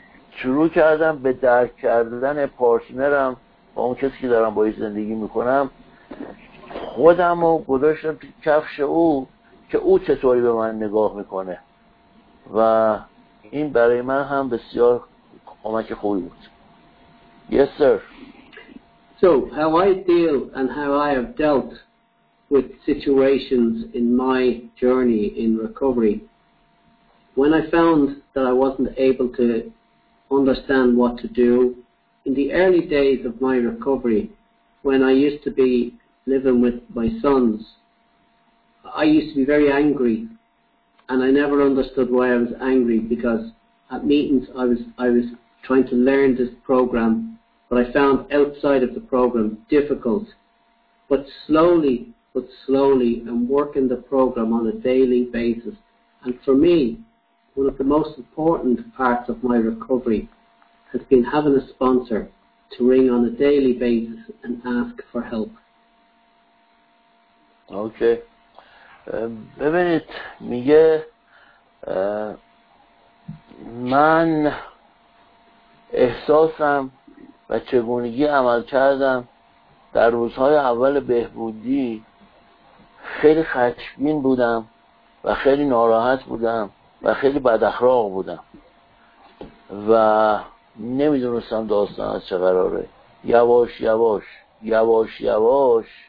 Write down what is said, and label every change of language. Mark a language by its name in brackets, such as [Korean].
[Persian] شروع کردم به درک کردن پارتنرم با اون کسی که دارم با این زندگی میکنم خودم رو گذاشتم تو کفش او که او چطوری به من نگاه میکنه و این برای من هم بسیار کمک خوبی بود [English] Yes sir So how I deal and how I have dealt with situations in my journey in recovery when I found that I wasn't able to understand what to do. In the early days of my recovery, when I used to be living with my sons, I used to be very angry, and I never understood why I was angry, because at meetings I was trying to learn this program, but I found outside of the program difficult. But slowly, and working the program on a daily basis, and for me, one of the most important parts of my recovery has been having a sponsor to ring on a daily basis and ask for help. Okay. [Persian] ببینید میگه من احساسم و چگونگی عمل کردم در روزهای اول بهبودی خیلی خشمگین بودم و خیلی ناراحت بودم و خیلی بد اخلاق بودم و نمیدونستم داستان از چه قراره یواش یواش